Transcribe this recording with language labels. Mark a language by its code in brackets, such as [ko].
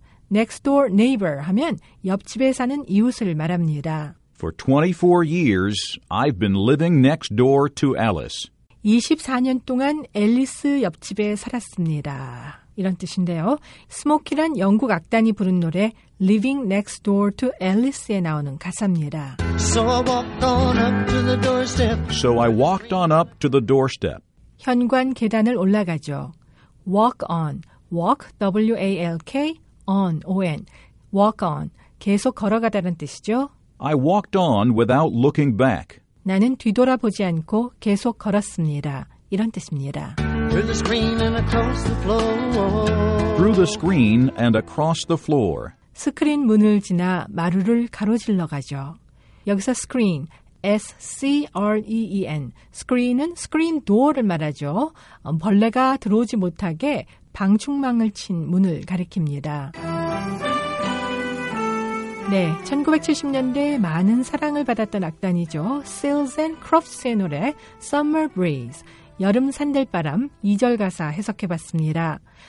[en] Next door neighbor [ko] 하면 옆집에 사는 이웃을 말합니다. [en] For 24 years, I've been living next door to Alice. [ko] 24년 동안 앨리스 옆집에 살았습니다. 이런 뜻인데요. 스모키란 영국 악단이 부른 노래 Living Next Door to Alice에 나오는 가사입니다. [en] So I walked on up to the doorstep. So I walked on up to the doorstep. [ko] 현관 계단을 올라가죠. [en] Walk on. Walk, W-A-L-K, on, O-N. Walk on. [ko] 계속 걸어가다는 뜻이죠. [en] I walked on without looking back. [ko] 나는 뒤돌아보지 않고 계속 걸었습니다. 이런 뜻입니다. [en] Through the screen and across the floor. Through the screen and across the floor. [ko] 스크린 문을 지나 마루를 가로질러 가죠. 여기서 screen, S-C-R-E-E-N. Screen은 screen door를 말하죠. 벌레가 들어오지 못하게 방충망을 친 문을 가리킵니다. 네, 1970년대 많은 사랑을 받았던 악단이죠. Seals and Crofts의 노래 Summer Breeze, 여름 산들바람 2절 가사 해석해봤습니다.